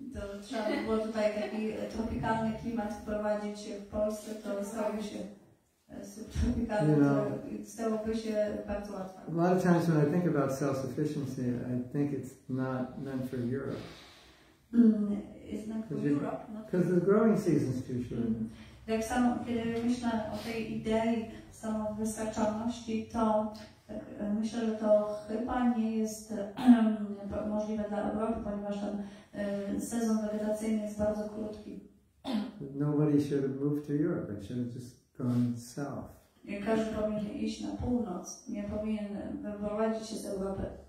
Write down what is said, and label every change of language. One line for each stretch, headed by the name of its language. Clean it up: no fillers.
Polish: To trzeba było tutaj taki tropikalny klimat wprowadzić w Polsce, to stałoby się subtropikalny, to stałoby się bardzo łatwo.
English: A lot of times when I think about self-sufficiency, I think it's not meant for Europe. It's not for Europe? Because the growing season's too short.
Polish: Jak samo, kiedy myślę o tej idei samowystarczalności, to tak, myślę, że to chyba nie jest możliwe dla Europy, ponieważ ten sezon wegetacyjny jest bardzo krótki.
English: Nobody should have moved to Europe, they should have just gone south.
Polish: Nie każdy powinien iść na północ, nie powinien wyprowadzić się z Europy.